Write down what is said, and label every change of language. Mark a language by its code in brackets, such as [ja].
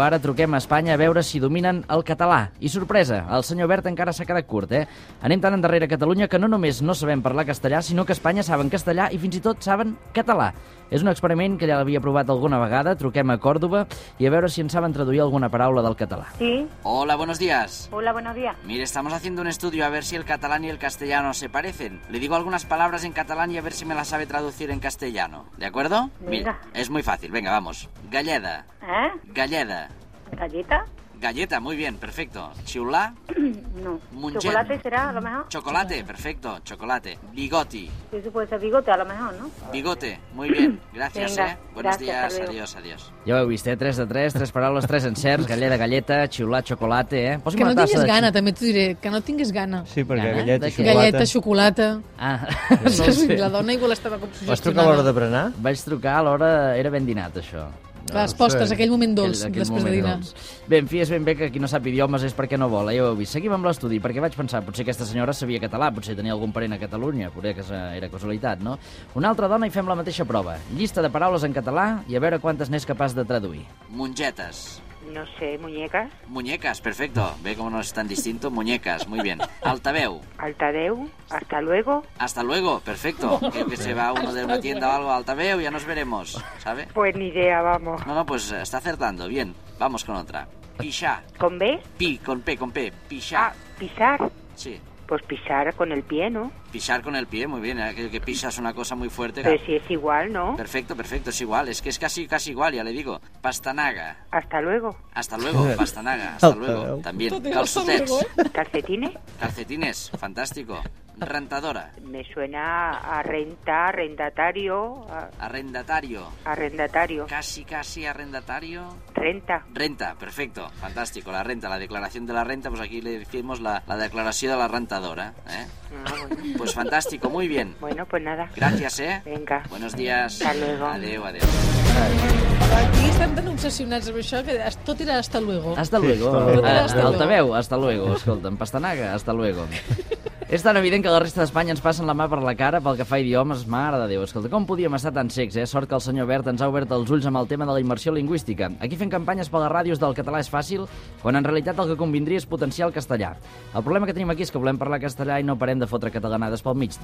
[ca] Ara truquem a Espanya a veure si dominen el català. I sorpresa, el senyor Wert encara s'ha quedat curt, eh? Anem tan endarrere a Catalunya que no només no sabem parlar castellà, sinó que a Espanya saben castellà i fins i tot saben català. És un experiment que ja l'havia provat alguna vegada. Truquem a Còrdoba i a veure si ens saben traduir alguna paraula del català. [es] Sí. Hola, buenos días. Hola, buenos días. Mire, estamos haciendo un estudio a ver si el catalán y el castellano se parecen. Le digo algunas palabras en catalán y a ver si me las sabe traducir en castellano. ¿De acuerdo? Venga. Mira, es muy fácil. Venga, vamos. Galleda. ¿Eh? Galleda. Galleta. Galleta, muy bien, perfecto. Chiulà. No. Munchen. Chocolate será, a lo mejor. Chocolate, perfecto, chocolate. Bigoti. Sí, eso puede ser bigote, a lo mejor, ¿no? Bigote, muy bien, gracias. Venga, eh. Buenos días, adiós. [ca] Ja ho heu vist, eh? 3 de 3, 3 paraules, 3 encerts, galleta, galleta, chiulà, chocolate, eh? Posi'm que no tinguis de... gana, també t'ho diré, que no tinguis gana. Sí, perquè gana? Galleta, xocolata. Galleta, xocolata. Ah, no sé. La dona igual estava com sugestionada. Vas trucar a l'hora de berenar? Vaig trucar a l'hora, era ben dinat, això. Les postres, aquell moment dolç, després de dinar. Bé, en fi, és ben bé que qui no sap idiomes és perquè no vol, ja ho heu vist. Seguim amb l'estudi, perquè vaig pensar, potser aquesta senyora sabia català, potser tenia algun parent a Catalunya, potser que era casualitat, no? Una altra dona i fem la mateixa prova. Llista de paraules en català i a veure quantes n'és capaç de traduir. Mongetes. [es] No sé, muñecas. Muñecas, perfecto. Ve como no es tan distinto. Muñecas, muy bien. Altaveu. Altaveu. Hasta luego. Hasta luego, perfecto. Creo que se va uno de una tienda o algo. Altaveu, ya nos veremos, ¿sabe? Pues ni idea, vamos. No, pues está acertando. Bien, vamos con otra. Pixá. ¿Con B? Pi, con P. Pixá. Ah, pisar. Sí. Pues pisar con el pie, ¿no? Pisar con el pie, muy bien, aquello que pisas una cosa muy fuerte. Pero si es igual, ¿no? Perfecto, perfecto, es igual, es que es casi igual, ya le digo. [ca] Pastanaga. [es] Hasta luego. Hasta luego, pastanaga, hasta luego. También, calcetets. ¿Calcetines? Calcetines, fantástico. Rentadora. Me suena a renta, arrendatario. Arrendatario. Arrendatario. Casi arrendatario. Renta. Renta, perfecto, fantástico. La renta, la declaración de la renta, pues aquí le decimos la declaración de la rentadora, ¿eh? Pues fantástico, muy bien. Bueno, pues nada. Gracias, ¿eh? Venga. Buenos días. Hasta luego. Adiós, adiós. [ca] Aquí estem tan obsessionats amb això que tot era [es] hasta luego. Hasta luego. Hasta luego. [ca] Altaveu, [es] hasta luego. [ca] Escolta, en pastanaga, hasta luego. És tan evident que la resta d'Espanya ens passen la mà per la cara pel que fa a idiomes, mare de Déu. Escolta, com podíem estar tan secs, eh? Sort que el senyor Bert ens ha obert els ulls amb el tema de la immersió lingüística. Aquí fent campanyes per les ràdios del català és fàcil, quan en realitat el que convindria és potenciar el castellà. El problema que tenim aquí és que volem parlar castellà i no parem de fotre catalanades pel mig.